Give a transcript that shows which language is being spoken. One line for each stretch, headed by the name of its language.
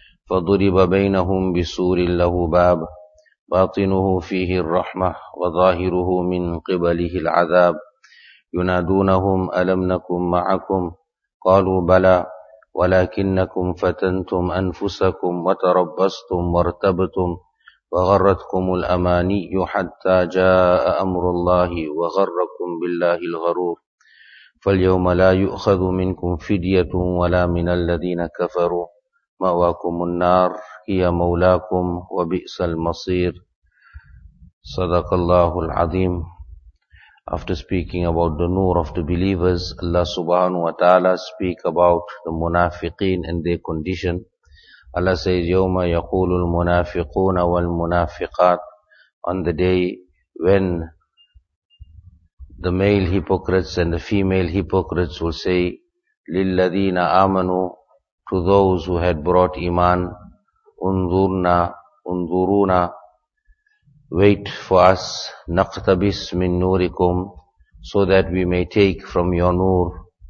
Arabic: فضرب بينهم بسور له باب باطنه فيه الرحمة وظاهره من قبله العذاب ينادونهم ألم نكن معكم قالوا بلى ولكنكم فتنتم أنفسكم وتربصتم وارتبتم وغرتكم الأماني حتى جاء أمر الله وغركم بالله الغرور فاليوم لا يؤخذ منكم فدية ولا من الذين كفروا مأواكم النار هي مولاكم وبئس المصير صدق الله العظيم.
English: After speaking about the noor of the believers, Allah subhanahu wa ta'ala speak about the munafiqeen and their condition. Allah says,
Arabic: يَوْمَ يَقُولُ الْمُنَافِقُونَ وَالْمُنَافِقَاتِ.
English: On the day when the male hypocrites and the female hypocrites will say,
Arabic: لِلَّذِينَ آمَنُوا,
English: to those who had brought iman,
Arabic: أُنْظُرْنَا, أُنْظُرُونَا,
English: wait for us,
Arabic: naqtabis min nurikum,
English: so that we may take from your nur.